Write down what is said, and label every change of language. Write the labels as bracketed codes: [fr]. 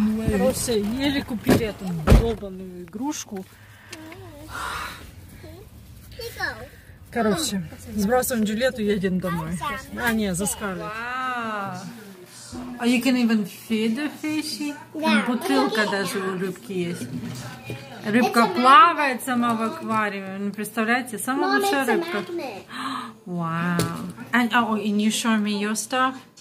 [ru] Короче, еле купили эту долбанную игрушку. Короче, сбрасываем Джульетту, едем домой. А, нет, за Скарлетт. [en] А you can even feed the fishy. Yeah. [ru] Бутылка даже у рыбки есть. Рыбка плавает сама в аквариуме. Ну, представляете, самая [en] Mom, [ru] лучшая рыбка. Wow. [en] And oh, and you show me your stuff.